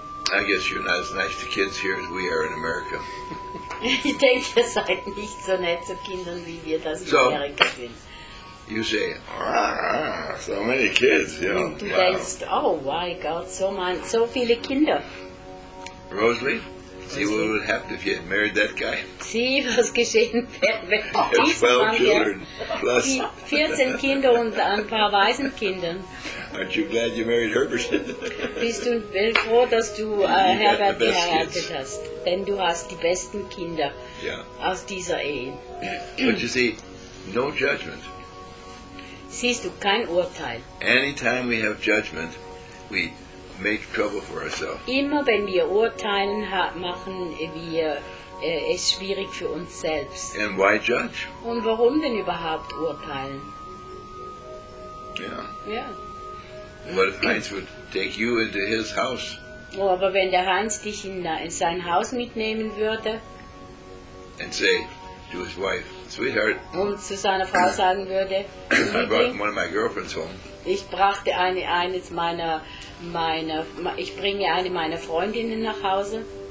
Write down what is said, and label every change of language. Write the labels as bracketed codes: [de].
[en] I guess you're not as nice to kids here as we are in America. [de] Ich denke, ihr seid nicht so nett zu Kindern, wie wir das in Amerika sind. [en] You say, so many kids, you know. [de] Du denkst, [en] oh my God, [de] so viele Kinder. [en] Rosalie? See what would happen if you had married that guy. [de] Sie, was geschehen wäre, wenn children plus 14 Kinder und ein paar Waisenkindern. [en] Aren't you glad you married Herbert? [de] Bist du froh, dass du Herbert geheiratet hast? Denn du hast die besten Kinder aus dieser Ehe. [en] But you see, no judgment. [de] Siehst du, kein Urteil. [en] Anytime we have judgment, we make trouble for ourselves. [de] Immer wenn wir urteilen, machen wir es schwierig für uns selbst. [en] And why judge? [de] Und warum denn überhaupt urteilen? [en] What if Heinz would take you into his house? [de] Oh, aber wenn der Heinz dich in sein Haus mitnehmen würde? [en] And say to his wife, sweetheart. [de] Und zu seiner Frau sagen würde. [en] I brought one of my girlfriends home. [de] Ich brachte ich bringe eine meiner Freundinnen nach Hause.